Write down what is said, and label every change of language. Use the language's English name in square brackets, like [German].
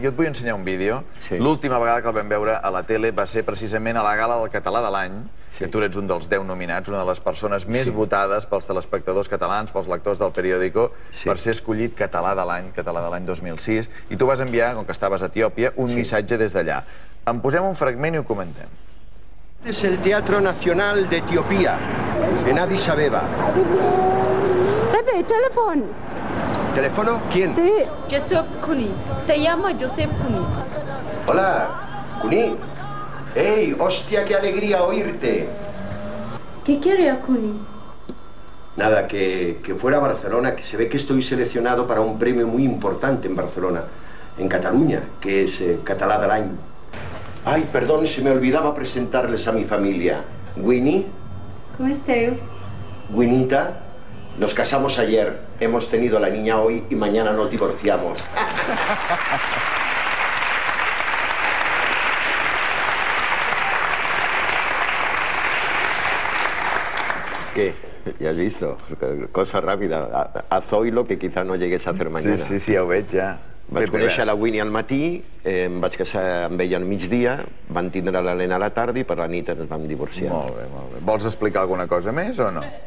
[Catalan] Jo et vull ensenyar un vídeo. Sí. L'última vegada que el vam veure a la tele va ser precisament a la gala del Català de l'any, sí, que tu ets un dels 10 nominats, una de les persones més, sí, votades pels telespectadors catalans, pels lectors del periòdico, sí, per ser escollit Català de l'any, Català de l'any 2006. I tu vas enviar, com que estaves a Etiòpia, un, sí, missatge des d'allà. En posem un fragment i ho comentem. [Spanish] Este es el Teatro Nacional de Etiopía, en Addis Abeba. Pepe, teléfono. ¿Teléfono? ¿Quién? Sí, Josep Cuní. Te llama Josep Cuní. Hola, Cuní. ¡Ey, hostia, qué alegría oírte! ¿Qué quiere a Cuní? Nada, que fuera a Barcelona, que se ve que estoy seleccionado para un premio muy importante en Barcelona, en Cataluña, que es Català de l'any. Ay, perdón, se me olvidaba presentarles a mi familia. Winnie. ¿Cómo esteu? Winita. Nos casamos ayer. Hemos tenido la niña hoy y mañana nos divorciamos. ¿Qué? Ya has visto. Cosa rápida. A Zoilo, que quizá no llegues a hacer mañana. [Catalan] Sí, sí, sí, ho veig ja. Vaig conèixer la Winnie al matí, em vaig casar amb ella al migdia, van tindre l'Helena a la tarda i per la nit ens vam divorciar. Molt bé, molt bé. Vols explicar alguna cosa més o no?